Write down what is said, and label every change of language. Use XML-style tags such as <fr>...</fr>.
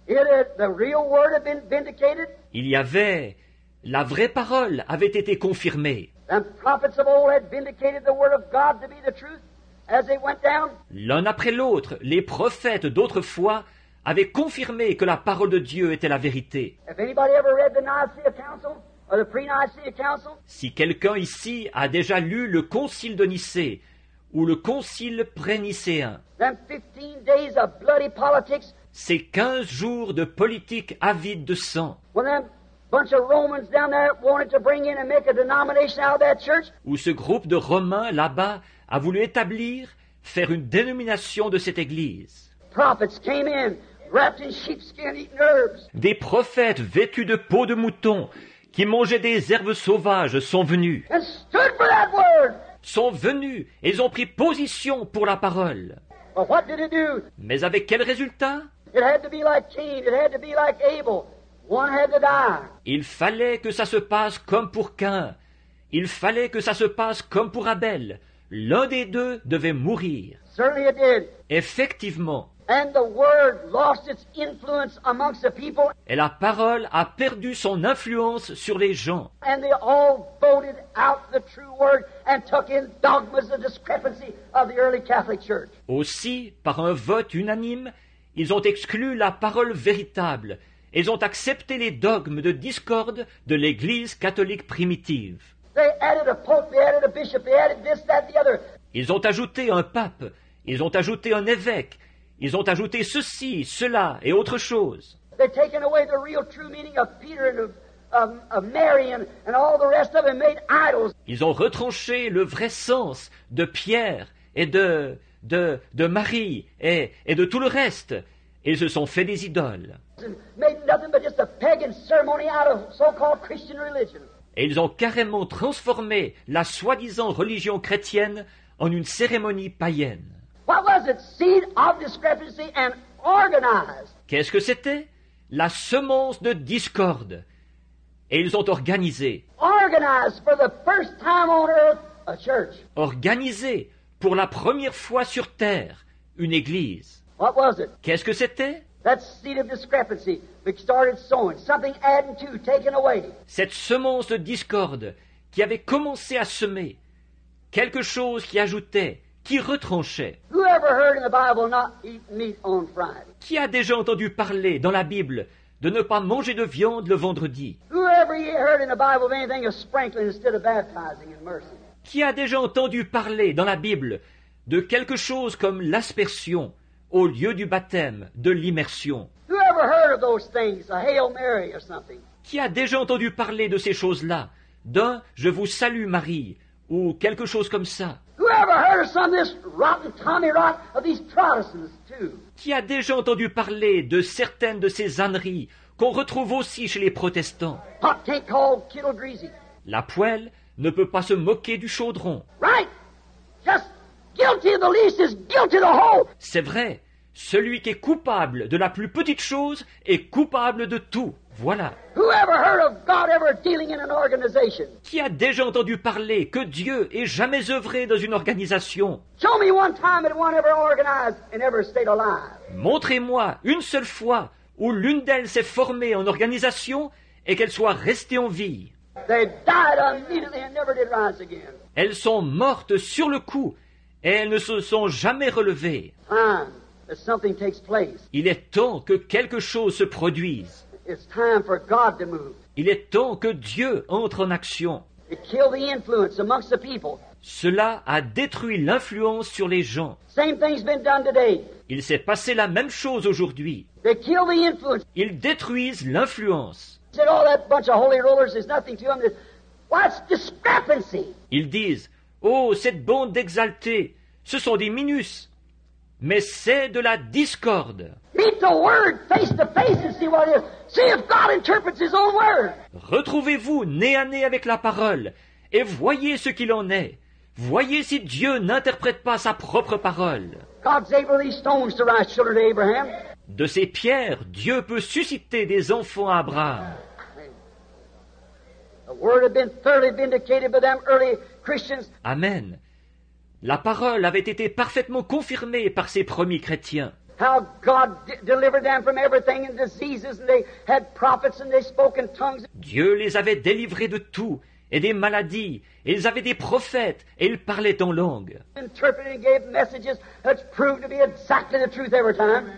<en>It had, the real word had been vindicated.</en> <fr>Il y avait, la vraie parole avait été confirmée.</fr> <en>The prophets of old had vindicated the word of God to be the truth as they went down.</en> <fr>L'un après l'autre, les prophètes d'autrefois avaient confirmé que la parole de Dieu était la vérité.</fr> <en>Have anybody ever read the Nicaea Council? Or the pre-Nicaea Council?</en> <fr>Si quelqu'un ici a déjà lu le Concile de Nicée ou le Concile pré-nicéen,</fr> <en>them 15 days of bloody politics,</en> <fr>ces 15 jours de politique avide de sang,</fr> <en>when that bunch of Romans down there wanted to bring in and make a denomination out of that church,</en> <fr>où ce groupe de Romains là-bas a voulu établir, faire une dénomination de cette église,</fr> <en>prophets came in, wrapped in sheepskin, eating herbs.</en> <fr>Des prophètes vêtus de peau de mouton qui mangeaient des herbes sauvages sont venus.</fr> <en>And stood for that word.</en> <fr>Sont venus et ils ont pris position pour la parole.</fr> <en>Well, what did it do?</en> <fr>Mais avec quel résultat?</fr> <en>It had to be like Cain, it had to be like Abel. One had to die.</en> <fr>Il fallait que ça se passe comme pour Cain. Il fallait que ça se passe comme pour Abel. L'un des deux devait mourir.</fr> <en>Certainly it did.</en> <fr>Effectivement.</fr> <en>And the word lost its influence amongst the people.</en> <fr>Et la parole a perdu son influence sur les gens.</fr> <en>And they all voted out the true word and took in dogmas of discrepancy of the early Catholic Church.</en> <fr>Aussi, par un vote unanime, ils ont exclu la parole véritable. Ils ont accepté les dogmes de discorde de l'Église catholique primitive.</fr> <en>They added a pope, they added a bishop, they added this, that, the other.</en> <fr>Ils ont ajouté un pape, ils ont ajouté un évêque, ils ont ajouté ceci, cela et autre chose.</fr> <en>They've taken away the real true meaning of Peter and of Mary and all the rest of them, made idols.</en> <fr>Ils ont retranché le vrai sens de Pierre et de Marie et de tout le reste. Ils se sont fait des idoles.</fr> <en>Made nothing but just a pagan ceremony out of so-called Christian religion.</en> <fr>Et ils ont carrément transformé la soi-disant religion chrétienne en une cérémonie païenne.</fr> <en>What was it? Seed of discrepancy and organized.</en> <fr>Qu'est-ce que c'était? La semence de discorde. Et ils ont organisé.</fr> <en>Organized for the first time on earth a church.</en> <fr>Organisé pour la première fois sur terre une église.</fr> <en>What was it?</en> <fr>Qu'est-ce que c'était?</fr> <en>That seed of discrepancy that started sowing, something added to, taken away.</en> <fr>Cette semence de discorde qui avait commencé à semer, quelque chose qui ajoutait, qui retranchait.</fr> <en>Who ever heard in the Bible not eat meat on Friday?</en> <fr>Qui a déjà entendu parler dans la Bible de ne pas manger de viande le vendredi?</fr> <en>Who ever heard in the Bible of anything of sprinkling instead of baptizing in mercy?</en> <fr>Qui a déjà entendu parler dans la Bible de quelque chose comme l'aspersion au lieu du baptême, de l'immersion?</fr> <en>Who ever heard of those things, a Hail Mary or something?</en> <fr>Qui a déjà entendu parler de ces choses-là, d'un « Je vous salue Marie » ou quelque chose comme ça?</fr> <en>Who ever heard of some of this rotten Tommy rot of these Protestants too?</en> <fr>Qui a déjà entendu parler de certaines de ces âneries qu'on retrouve aussi chez les protestants?</fr> <en>Pot can't call kettle greasy.</en> <fr>La poêle ne peut pas se moquer du chaudron.</fr> <en>Right! Just guilty of the least is guilty of the whole.</en> <fr>C'est vrai. Celui qui est coupable de la plus petite chose est coupable de tout. Voilà.</fr> <en>Who ever heard of God ever dealing in an organization?</en> <fr>Qui a déjà entendu parler que Dieu ait jamais œuvré dans une organisation?</fr> <en>Show me one time that one ever organized and ever stayed alive.</en> <fr>Montrez-moi une seule fois où l'une d'elles s'est formée en organisation et qu'elle soit restée en vie.</fr> <en>They died immediately and never did rise again.</en> <fr>Elles sont mortes sur le coup. Et elles ne se sont jamais relevées.</fr> <en>Time that something takes place.</en> <fr>Il est temps que quelque chose se produise.</fr> <en>It's time for God to move.</en> <fr>Il est temps que Dieu entre en action.</fr> <en>It killed the influence amongst the people.</en> <fr>Cela a détruit l'influence sur les gens.</fr> <en>Same thing's been done today.</en> <fr>Il s'est passé la même chose aujourd'hui.</fr> <en>They kill the influence.</en> <fr>Ils détruisent l'influence.</fr> <en>They said, oh, that bunch of holy rollers is nothing to them. What's discrepancy?</en> <fr>Ils disent, oh, cette bande d'exaltés, ce sont des minus, mais c'est de la discorde.</fr> <en>Meet the word face to face and see what it is. See if God interprets his own word.</en> <fr>Retrouvez-vous nez à nez avec la parole et voyez ce qu'il en est. Voyez si Dieu n'interprète pas sa propre parole.</fr> <en>God's able these stones to rise children to Abraham.</en> <fr>De ces pierres, Dieu peut susciter des enfants à Abraham.</fr> <en>The word had been thoroughly vindicated by them early Christians. Amen.</en> <fr>La parole avait été parfaitement confirmée par ces premiers chrétiens.</fr> <en>How God delivered them from everything and diseases, and they had prophets and they spoke in tongues.</en> <fr>Dieu les avait délivrés de tout et des maladies. Et ils avaient des prophètes et ils parlaient en langue.</fr> <en>Interpreting gave messages that proved to be exactly the truth every time.</en>